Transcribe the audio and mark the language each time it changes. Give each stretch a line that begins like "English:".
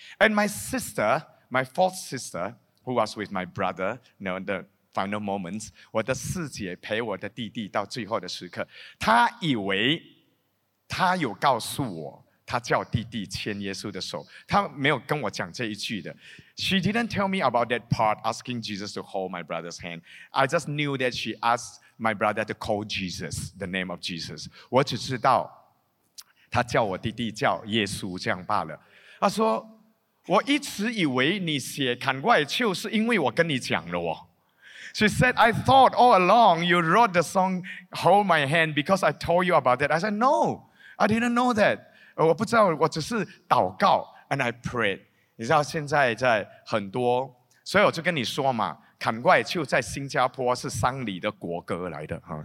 English: and my sister， my fourth sister， who was with my brother, you know, the final moments,
Chinese: 我的四姐陪我的弟弟到最后的时刻, 她以为她有告诉我, 她叫弟弟牵耶稣的手, 她没有跟我讲这一句的,
English: she didn't tell me about that part, asking Jesus to hold my brother's hand. I just knew that she asked my brother to call Jesus, the name of Jesus.
Chinese: 我只知道她叫我弟弟叫耶稣这样罢了。她说, 我一直以为你写砍怪秋是因为我跟你讲了哦。
English: She said, I thought all along you wrote the song Hold My Hand because I told you about that. I said, no, I didn't know that.
Chinese: 我不知道,我只是祷告,
English: and I prayed.
Chinese: 你知道现在在很多,所以我就跟你说嘛, 砍怪秋在新加坡是丧礼的国歌来的。